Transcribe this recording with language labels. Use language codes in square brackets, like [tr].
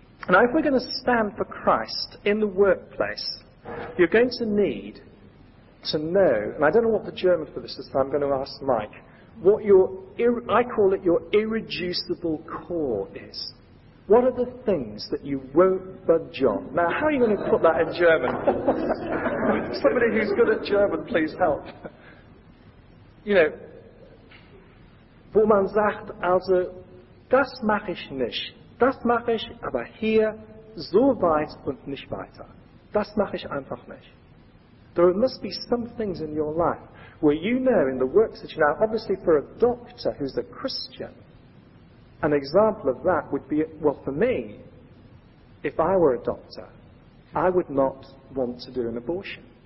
[en] Now, if we're going to stand for Christ in the workplace, you're going to need to know, and I don't know what the German for this is, so I'm going to ask Mike, what your irreducible core is. What are the things that you won't budge on? Now, how are you going to put that in German? Somebody who's good at German, please help. You know, [de] wo man sagt, also, das mache ich nicht. Das mache ich aber hier so weit und nicht weiter. Das mache ich einfach nicht. [en] There must be some things in your life where you know in the work that you know, obviously for a doctor who's a Christian, an example of that would be, well, for me, if I were a doctor, I would not want to do an abortion.